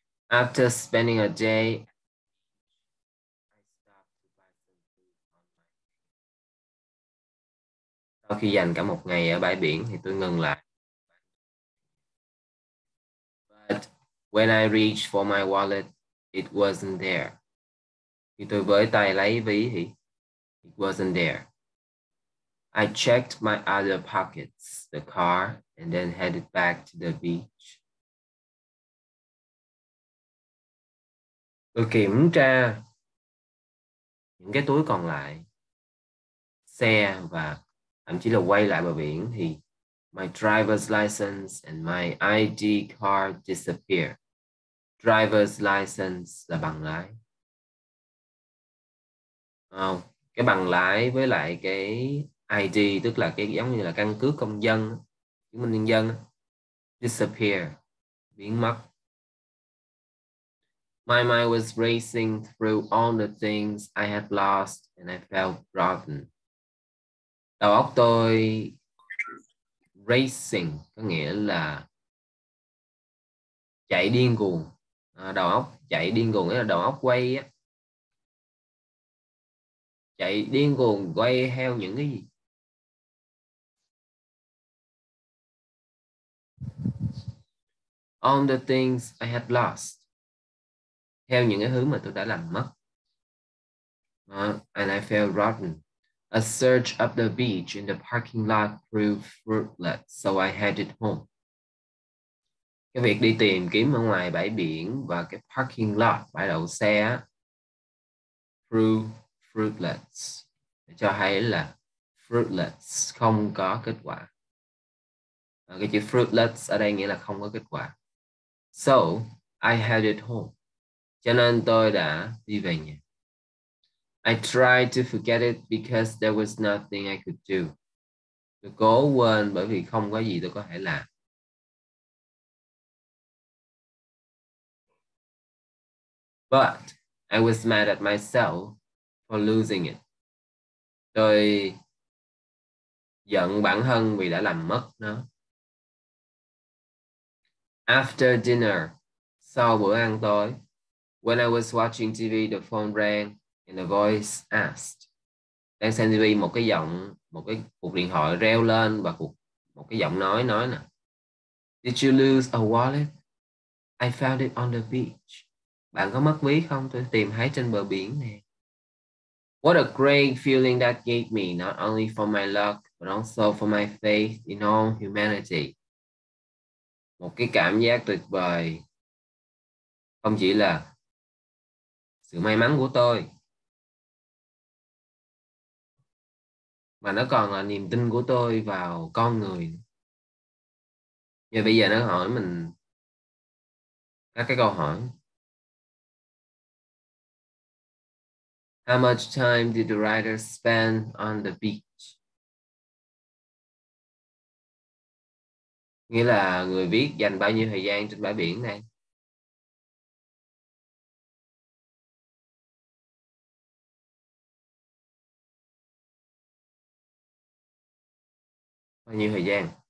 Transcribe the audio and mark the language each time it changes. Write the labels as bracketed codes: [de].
[en] After spending a day, I stopped to buy some food online. [vi] Sau khi dành cả một ngày ở bãi biển thì tôi ngừng lại. [en] But when I reached for my wallet, it wasn't there. [vi] Khi tôi với tay lấy ví thì [en] it wasn't there. I checked my other pockets, the car, and then headed back to the beach. [vi] Tôi kiểm tra những cái túi còn lại, xe và thậm chí là quay lại bờ biển, thì [en] my driver's license and my ID card disappear. [vi] Driver's license là bằng lái. Cái bằng lái với lại cái ID, tức là cái giống như là căn cước công dân, chứng minh nhân dân, disappear, biến mất. [en] My mind was racing through all the things I had lost and I felt rotten. [vi] Đầu óc tôi racing có nghĩa là chạy điên cuồng, đầu óc chạy điên cuồng nghĩa là đầu óc quay á, chạy điên cuồng quay theo những cái gì? [en] All the things I had lost, [vi] theo những cái thứ mà tôi đã làm mất. [en] And I felt rotten. A search up the beach in the parking lot proved fruitless, so I headed home. [vi] Cái việc đi tìm kiếm ở ngoài bãi biển và cái parking lot, bãi đậu xe, [en] proved fruitless, [vi] cho hay là fruitless, không có kết quả. Cái chữ fruitless ở đây nghĩa là không có kết quả. [en] So, I headed home. [vi] Cho nên tôi đã đi về nhà. [en] I tried to forget it because there was nothing I could do. [vi] Tôi cố quên bởi vì không có gì tôi có thể làm. [en] But I was mad at myself for losing it. [vi] Tôi giận bản thân vì đã làm mất nó. [en] After dinner, [vi] sau bữa ăn tối, [en] when I was watching TV, the phone rang. And the voice asked, [vi] đang xem TV, một cái giọng, một cái cuộc điện thoại reo lên và một cái giọng nói nè. [en] Did you lose a wallet? I found it on the beach. [vi] Bạn có mất ví không? Tôi tìm thấy trên bờ biển nè. [en] What a great feeling that gave me, not only for my luck, but also for my faith in all humanity. [vi] Một cái cảm giác tuyệt vời, không chỉ là sự may mắn của tôi, mà nó còn là niềm tin của tôi vào con người. Và bây giờ nó hỏi mình các cái câu hỏi. [en] How much time did the writer spend on the beach? [vi] Nghĩa là người viết dành bao nhiêu thời gian trên bãi biển này? Bao nhiêu thời gian?